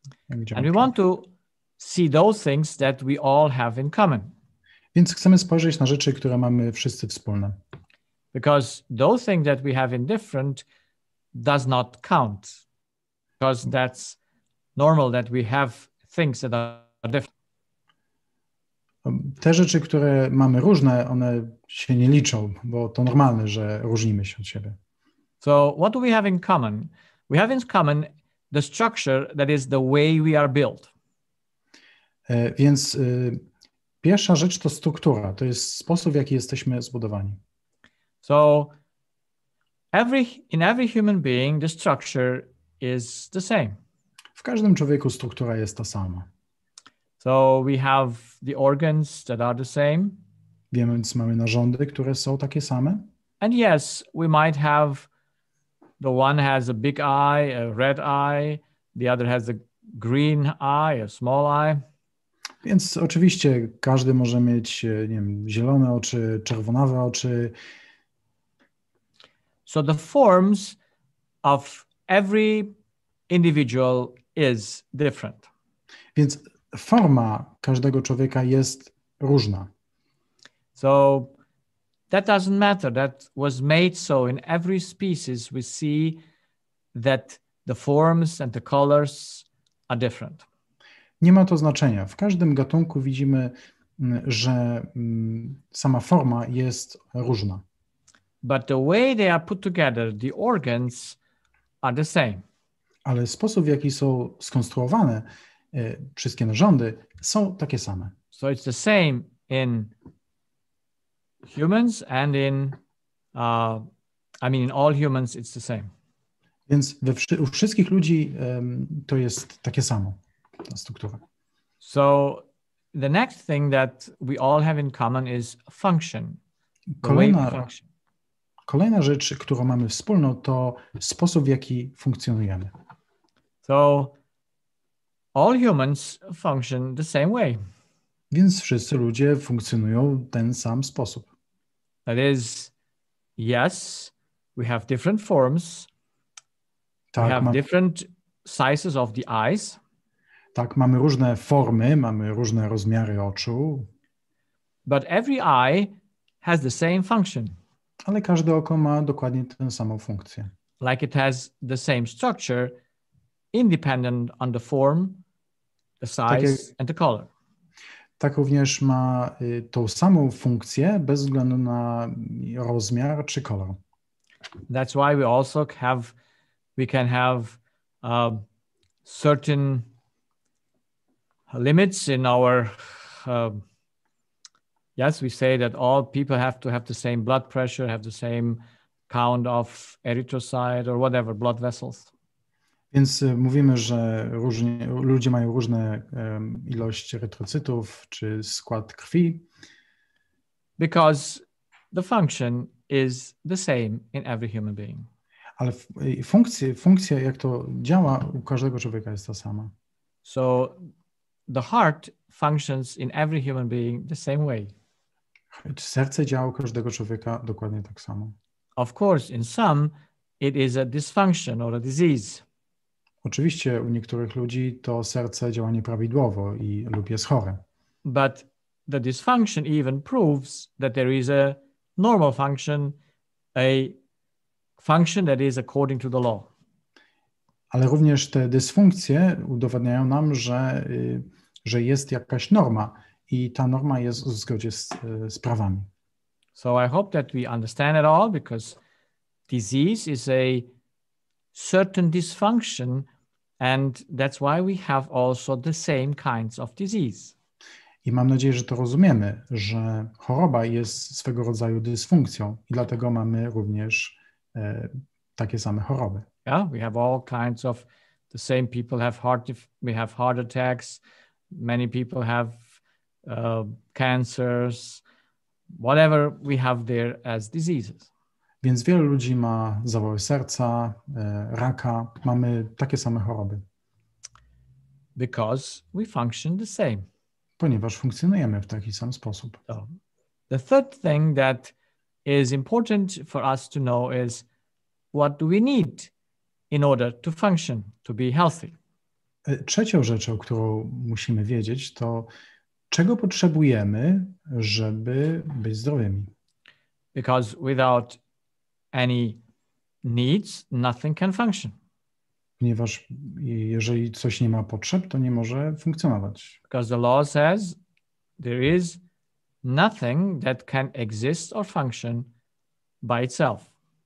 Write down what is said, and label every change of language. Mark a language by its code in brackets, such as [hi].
[en] And we want to see those things that we all have in common. [pl] Więc chcemy spojrzeć na rzeczy, które mamy wszyscy wspólne. [en] Because those things that we have in different does not count. Because that's normal that we have things that are different. [pl] Te rzeczy, które mamy różne, one się nie liczą, bo to normalne, że różnimy się od siebie. [en] So what do we have in common? We have in common the structure that is the way we are built. [pl] Więc pierwsza rzecz to struktura, to jest sposób, w jaki jesteśmy zbudowani. [en] So in every human being the structure is the same. [pl] W każdym człowieku struktura jest ta sama. [en] So we have the organs that are the same. [pl] Więc mamy narządy, które są takie same. [en] And yes, we might have the one has a big eye, a red eye, the other has a green eye, a small eye. [pl] Więc oczywiście każdy może mieć, nie wiem, zielone oczy, czerwonawe oczy. [en] So the forms of every individual is different. [pl] Więc forma każdego człowieka jest różna. [en] So That doesn't matter. That was made so in every species we see that the forms and the colors are different. [pl] Nie ma to znaczenia. W każdym gatunku widzimy, że sama forma jest różna. [en] But the way they are put together, the organs are the same. [pl] Ale sposób, w jaki są skonstruowane wszystkie narządy, są takie same. [en] So it's the same in humans and in, I mean, in all humans, it's the same. [pl] Więc u wszystkich ludzi to jest takie samo, ta struktura. [en] So the next thing that we all have in common is function. [pl] Kolejna rzecz, którą mamy wspólną, to sposób, w jaki funkcjonujemy. [en] So all humans function the same way. [pl] Więc wszyscy ludzie funkcjonują w ten sam sposób. [en] That is, yes, we have different forms. [pl] Tak, [en] we have different sizes of the eyes. [pl] Tak, mamy różne formy, mamy różne rozmiary oczu. [en] But every eye has the same function. [pl] Ale każde oko ma dokładnie tę samą funkcję. [en] Like it has the same structure, independent on the form, the size, and the color. [pl] Tak również ma tą samą funkcję bez względu na rozmiar czy kolor. [en] That's why we also have, we can have certain limits in our. Yes, we say that all people have to have the same blood pressure, have the same count of erythrocyte or whatever blood vessels. [pl] Więc mówimy, że ludzie mają różne ilości erytrocytów czy skład krwi. [en] Because the function is the same in every human being. [pl] Ale funkcja, jak to działa u każdego człowieka, jest ta sama. [en] So the heart functions in every human being the same way. [pl] Serce działa u każdego człowieka dokładnie tak samo. [en] Of course, in some it is a dysfunction or a disease. [pl] Oczywiście u niektórych ludzi to serce działa nieprawidłowo i lub jest chore. [en] But the dysfunction even proves that there is a normal function, a function that is according to the law. [pl] Ale również te dysfunkcje udowadniają nam, że jest jakaś norma i ta norma jest w zgodzie z prawami. [en] So I hope that we understand it all, because disease is a certain dysfunction. And that's why we have also the same kinds of disease. [pl] I mam nadzieję, że to rozumiemy, że choroba jest swego rodzaju dysfunkcją i dlatego mamy również takie same choroby. [en] Yeah, we have all kinds of the same people have heart attacks, many people have cancers, whatever we have there as diseases. [pl] Więc wiele ludzi ma zawały serca, raka, mamy takie same choroby. [en] Because we function the same. [pl] Ponieważ funkcjonujemy w taki sam sposób. [en] So, the third thing that is important for us to know is what do we need in order to function, to be healthy. [pl] Trzecią rzeczą, którą musimy wiedzieć, to czego potrzebujemy, żeby być zdrowymi. [en] Because without any needs, nothing can function. [pl] Ponieważ jeżeli coś nie ma potrzeb, to nie może funkcjonować. [en] Because the law says there is nothing that can exist or function by itself.